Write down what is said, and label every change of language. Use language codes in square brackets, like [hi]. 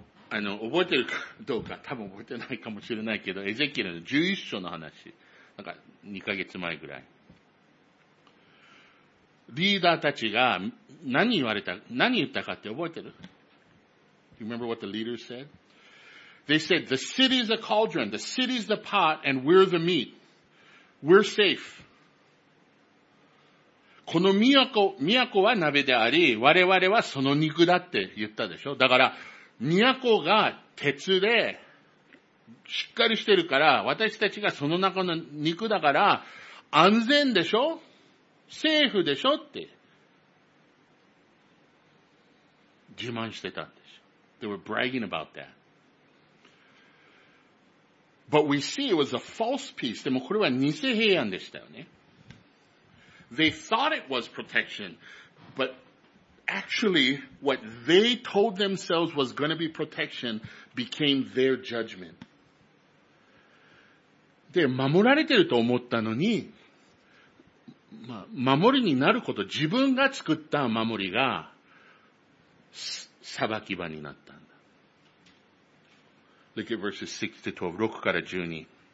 [ja] あの、覚えてるかどうか、多分覚えてないかもしれないけど、エゼキエルの11章の話。なんか、2ヶ月前ぐらい。リーダーたちが何言われた、何言ったかって覚えてる？ [en] Do you remember what the leaders said? They said, the city's a cauldron, the city's the pot, and we're the meat. We're safe. [ja] この都は鍋であり、我々はその肉だって言ったでしょ？だから、都が鉄で、しっかりしてるから、私たちがその中の肉だから、安全でしょ？セーフでしょ？って、自慢してたんです。 [en] They were bragging about that. But we see it was a false peace. [ja] でもこれは偽平安でしたよね。 [en] They thought it was protection, but actually what they told themselves was going to be protection became their judgment. [ja] で、守られてると思ったのに、まあ、守りになること、自分が作った守りが、裁き場になったんだ。 [en] Look at verses 6 to 12, [ja] 6から12。